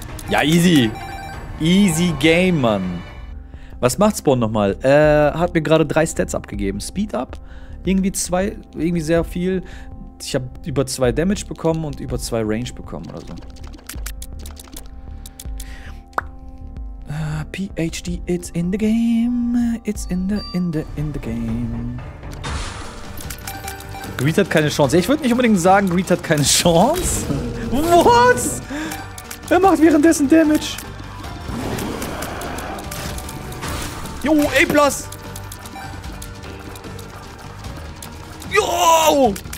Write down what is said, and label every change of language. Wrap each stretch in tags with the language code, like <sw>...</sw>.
<de>Ja, easy. Easy game, Mann. Was macht Spawn nochmal? Hat mir gerade 3 Stats abgegeben. Speed up. Irgendwie sehr viel. Ich habe über 2 Damage bekommen und über 2 Range bekommen oder so.</de> <en>PhD, it's in the game. It's in the game.</en> <de>Greed hat keine Chance. Ich würde nicht unbedingt sagen, Greed hat keine Chance. What? Er macht währenddessen Damage. Jo, A+. Jo!</de>